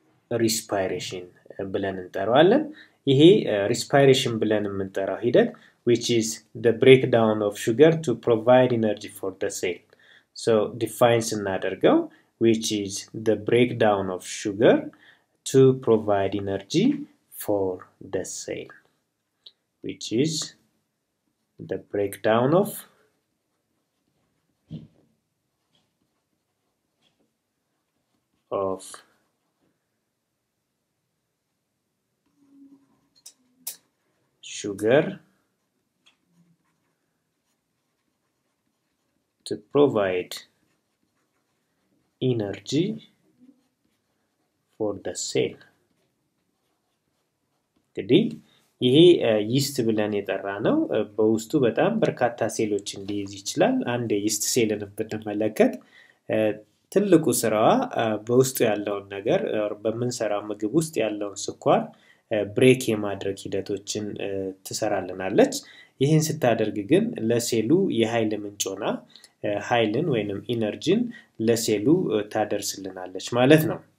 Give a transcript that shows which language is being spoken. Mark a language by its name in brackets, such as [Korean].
[Amharic] ሪስፓይሬሽን ብለን እንጠራዋለን። ይሄ ሪስፓይሬሽን ብለን የምንጠራው ሂደት [English] which is the breakdown of sugar to provide energy for the cell. So defines [Amharic] እናደርገው [English] which is the breakdown of sugar to provide energy for the cell. Which is the breakdown of sugar of sugar to provide energy for the cell. [Amharic] እንግዲህ ይሄ ይስት ብለን የጠራነው በውስጡ በጣም በርካታ ሴሎችን ሊይዝ ይችላል። አንድ ይስት ሴልን ብንመለከት ትልቁ ስራዋ በውስጡ ያለውን ነገር በምንሰራው ምግብ ውስጥ ያለውን ስኳር ብሬክ የማድረግ ሂደቶችን ትሰራልናለች። ይህን ስታደርግ ግን ለሴሉ የኃይል ምንጭ ሆና ኃይልን ወይንም ኢነርጂን ለሴሉ ታደርስልናለች ማለት ነው።